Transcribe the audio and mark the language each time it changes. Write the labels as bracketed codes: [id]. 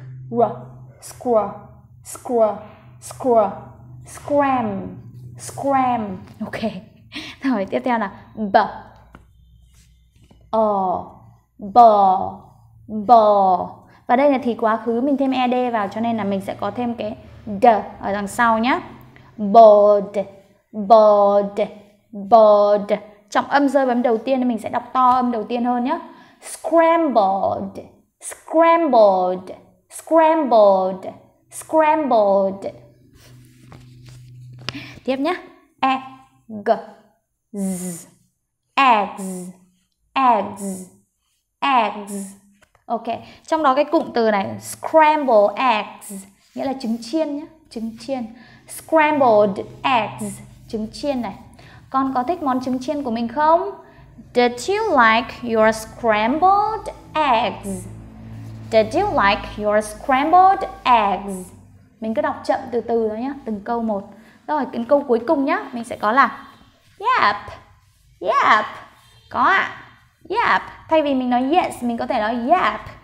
[en] R, squir, squir, squir, scram, scram. [vi] Ok, rồi tiếp theo là b, o, bò, bò. Và đây là thì quá khứ, mình thêm ed vào cho nên là mình sẽ có thêm cái d ở đằng sau nhé. [en] Bod, bod, bod. [vi] Trọng âm rơi vào âm đầu tiên nên mình sẽ đọc to âm đầu tiên hơn nhé. [en] Scrambled, scrambled, scrambled, scrambled. [vi] Tiếp nhá. [en] Eggs, eggs, eggs, eggs. [vi] Ok, trong đó cái cụm từ này scramble eggs nghĩa là trứng chiên nhá, trứng chiên. Scrambled eggs, trứng chiên này. Con có thích món trứng chiên của mình không? [en] Did you like your scrambled eggs? Did you like your scrambled eggs? [vi] Mình cứ đọc chậm từ từ thôi nhá, từng câu một. Rồi, cái câu cuối cùng nhá, mình sẽ có là yep, yep. Có ạ, yep. Thay vì mình nói yes, mình có thể nói yep.